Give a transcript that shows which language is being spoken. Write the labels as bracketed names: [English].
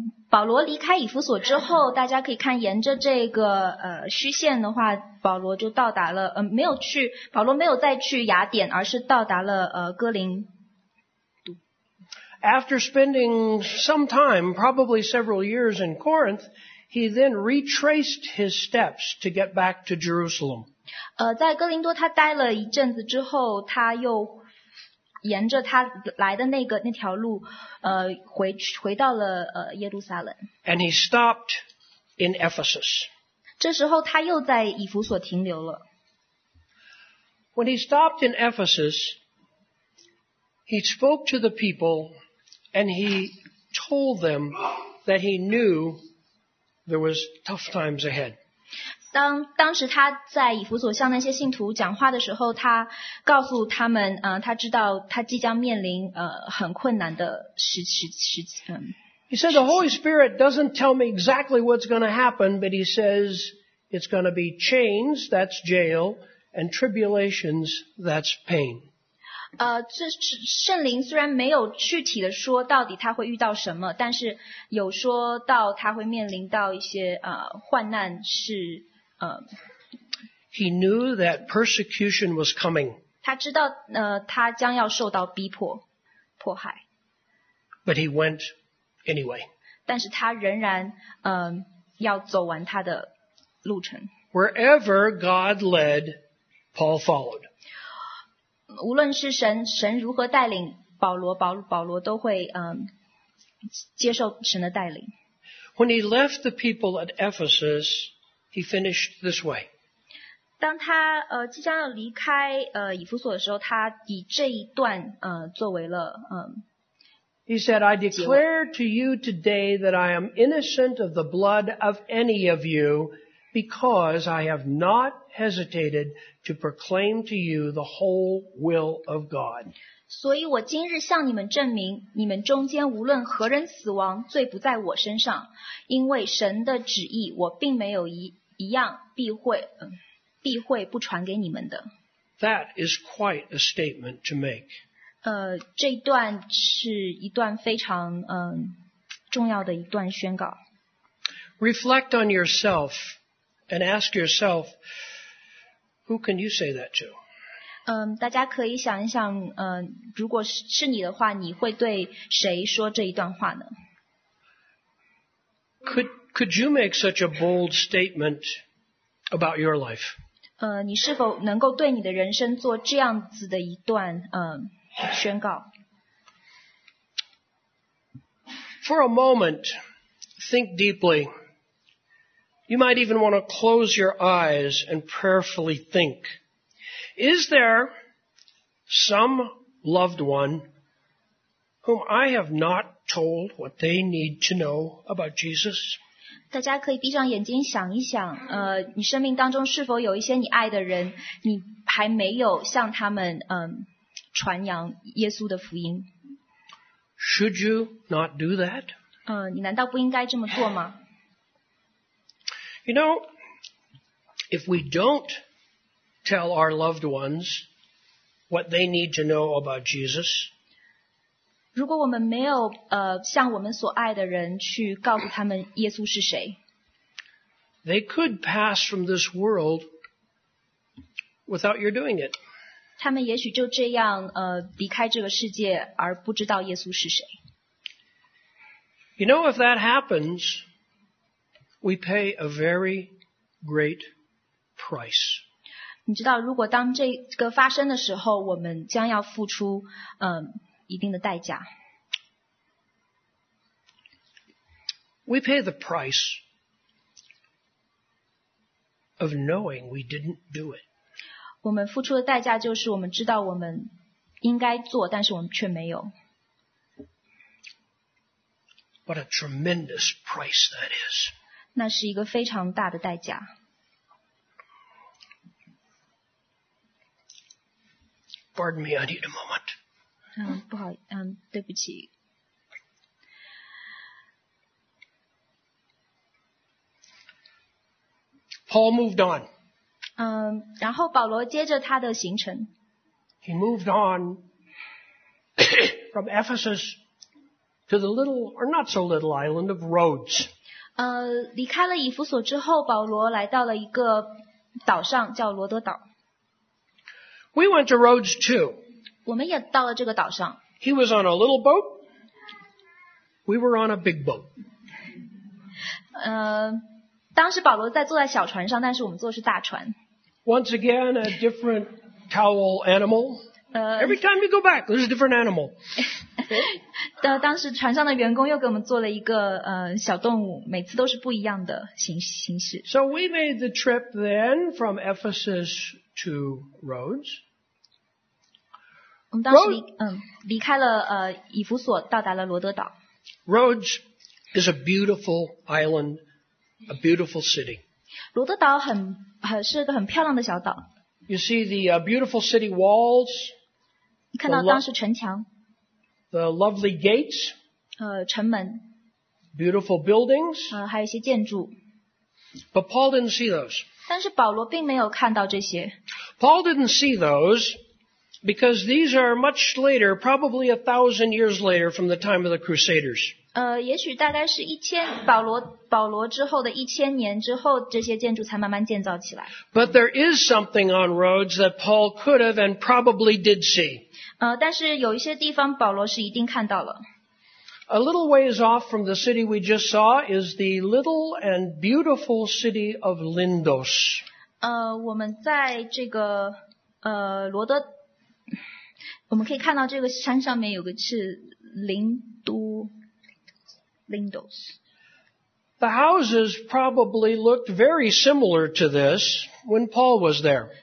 [Chinese] 保罗离开以弗所之后，大家可以看沿着这个虚线的话，保罗就到达了没有去，保罗没有再去雅典，而是到达了哥林。 [English] After spending some time, probably several years in Corinth, he then retraced his steps to get back to Jerusalem. [Chinese] 在哥林多他待了一阵子之后，他又沿着他来的那条路，回到了耶路撒冷。 [English] And he stopped in Ephesus. [Chinese] 这时候他又在以弗所停留了。 [English] When he stopped in Ephesus, he spoke to the people. And he told them that he knew there was tough times ahead. [Chinese] 当时他在以弗所向那些信徒讲话的时候，他告诉他们，他知道他即将面临很困难的时期。 [English] He said the Holy Spirit doesn't tell me exactly what's going to happen, but he says it's going to be chains, that's jail, and tribulations, that's pain. [Chinese] 圣灵虽然没有具体的说到底他会遇到什么，但是有说到他会面临到一些患难是 [English] He knew that persecution was coming. [Chinese] 他知道他将要受到迫害。 [English] But he went anyway. [Chinese] 但是他仍然要走完他的路程。 [English] Wherever God led, Paul followed. [Chinese] 无论是神如何带领保罗都会接受神的带领。 [English] When he left the people at Ephesus, he finished this way. [Chinese] 当他即将要离开以弗所的时候，他以这一段作为了 [English] He said, "I declare to you today that I am innocent of the blood of any of you, because I have not hesitated." To proclaim to you the whole will of God. [Chinese] 所以我今日向你们证明，你们中间无论何人死亡，罪不在我身上，因为神的旨意，我并没有一样避讳不传给你们的。 [English] That is quite a statement to make. [Chinese] 这段是一段非常重要的一段宣告。 [English] Reflect on yourself and ask yourself. Who can you say that to? [Chinese] 大家可以想一想，如果是你的话，你会对谁说这一段话呢？ [English] Could you make such a bold statement about your life? [Chinese] 你是否能够对你的人生做这样子的一段宣告？ [English] For a moment, think deeply. You might even want to close your eyes and prayerfully think. Is there some loved one whom I have not told what they need to know about Jesus? [Chinese] 大家可以闭上眼睛想一想，你生命当中是否有一些你爱的人，你还没有向他们传扬耶稣的福音。 [English] Should you not do that? [Chinese] 你难道不应该这么做吗？ [English] You know, if we don't tell our loved ones what they need to know about Jesus, [Chinese] 如果我们没有向我们所爱的人去告诉他们耶稣是谁， [English] they could pass from this world without your doing it. [Chinese] 他们也许就这样离开这个世界而不知道耶稣是谁。 [English] You know, if that happens,We pay a very great price. [Chinese] 你知道，如果当这个发生的时候，我们将要付出一定的代价。 [English] We pay the price of knowing we didn't do it. [Chinese] 我们付出的代价就是我们知道我们应该做，但是我们却没有。 [English] What a tremendous price that is. [Chinese] 那是一个非常大的代价。 [English] Pardon me, I need a moment. [Chinese] 不好，对不起。 [English] Paul moved on. [Chinese] 然后保罗接着他的行程。 [English] He moved on from Ephesus to the little or not so little island of Rhodes. [Chinese] 离开了以弗所之后，保罗来到了一个岛上，叫罗德岛。 [English] We went to Rhodes too. [Chinese] 我们也到了这个岛上。 [English] He was on a little boat. We were on a big boat. [Chinese] 当时保罗在坐在小船上，但是我们坐的是大船。 [English] Once again, a different towel animal. Every time you go back, there's a different animal. [Chinese] 当时船上的员工又给我们做了一个小动物，每次都是不一样的形式。 [English] So we made the trip then from Ephesus to Rhodes. [Chinese] 我们当时离开了以弗所，到达了罗德岛。 [English] Rhodes is a beautiful island. A beautiful city. [Chinese] 罗德岛是个很漂亮的小岛。 [English] You see the beautiful city walls. [Chinese] 你看到当时城墙。 [English] The lovely gates. [Chinese] 城门。 [English] Beautiful buildings. [Chinese] 还有一些建筑。 [English] But Paul didn't see those. [Chinese] 但是保罗并没有看到这些。 [English] Paul didn't see those because these are much later, probably 1,000 years later from the time of the Crusaders. [Chinese] 也许大概是保罗之后的1000年之后，这些建筑才慢慢建造起来。 [English] But there is something on Rhodes that Paul could have and probably did see. [Chinese] 但是有一些地方保罗是一定看到了。 [English] A little ways off from the city we just saw is the little and beautiful city of Lindos. [Chinese] 我们在这个罗德，我们可以看到这个山上面有个是林都。 [English] The houses probably looked very similar to this when Paul was there.